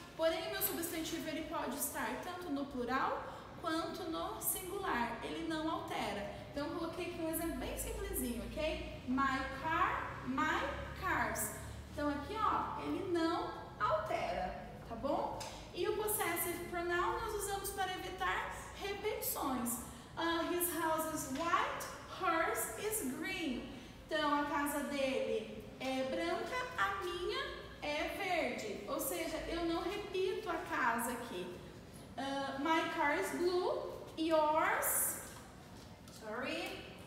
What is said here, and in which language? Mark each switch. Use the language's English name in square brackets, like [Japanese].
[Portuguese] Porém, meu substantivo ele pode estar tanto no plural quanto no singular. Ele não altera. Então, eu coloquei aqui um exemplo bem simplesinho, ok? [English] My car, my cars. [Portuguese] Então, aqui, ó, ele não altera, tá bom? E o possessive pronoun nós usamos para evitar repetições. [English] His house is white, hers is green. [Portuguese] Então, a casa dele é branca, a minha é verde. Ou seja, eu não repito a casa aqui. [English] My car is blue, yours is red.